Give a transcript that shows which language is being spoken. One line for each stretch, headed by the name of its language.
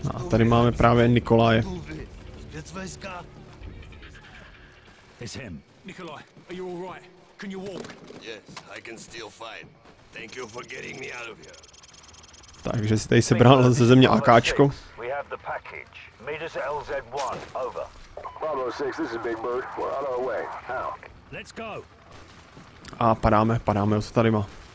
Czech: Tady máme právě Nikolaje.
English: It's him. Nikolai, are you all right? Can you walk? Yes, I can still fine. Thank you for getting me out of here.
Czech: Takže jste se bral ze země AKčko.
English: We have the package. Meet us at LZ1. Over. Bravo 6, this is Big Bird. We're on our way. Now. Let's go.
Czech: A padáme, co tady má.